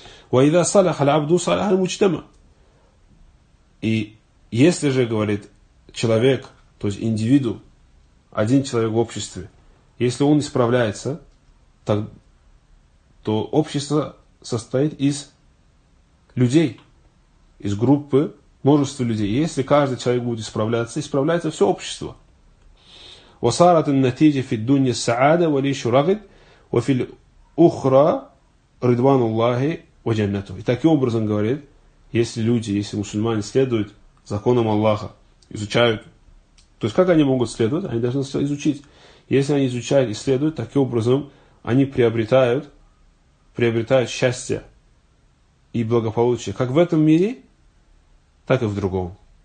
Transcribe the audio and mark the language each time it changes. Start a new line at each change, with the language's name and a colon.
Arabic: «Ва ида саляха аль-абду саляха аль-муджтама».
Russian: И если же, говорит, человек, то есть индивиду, один человек в обществе, если он исправляется, то общество состоит из людей, из группы, множества людей. Если каждый человек будет исправляться, исправляется все общество.
Arabic: وصارت النتيجة في الدنيا السعادة وليش رغد وفي الأخرى رضوان الله وجنته.
Russian: И таким образом говорит, если люди, если мусульмане следуют законам Аллаха, изучают, то есть как они могут следовать? Они должны изучить. Если они изучают и следуют, таким образом они приобретают счастье и благополучие как в этом мире, так и в другом.